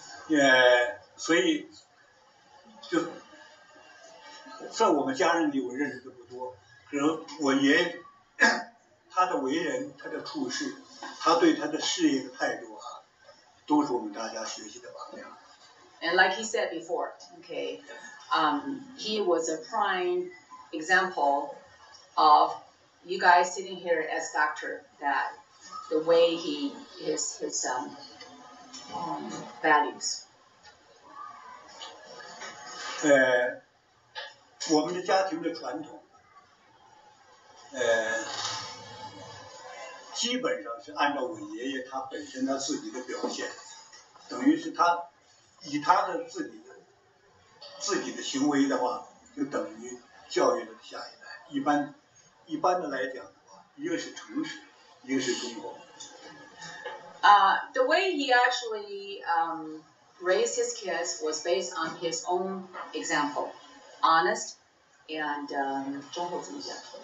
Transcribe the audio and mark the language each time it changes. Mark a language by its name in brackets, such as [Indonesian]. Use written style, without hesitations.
[Chinese] Yeah, 所以就在我们家人里，我认识的不多，可能我爷他的为人，他的处事。他对他的事业的态度啊，都是我们大家学习的榜样。 [English] And like he said before, okay, he was a prime example of you guys sitting here as doctor that the way he is his values. [Chinese] 我们的家庭的传统，基本上是按照我爷爷他本身他自己的表现，等于是他以他的自己的行为的话，就等于教育了下一代。一般的来讲的话，一个是诚实，一个是忠厚。 [English] The way he actually raised his kids was based on his own example, honest and [Chinese] 忠厚怎么讲？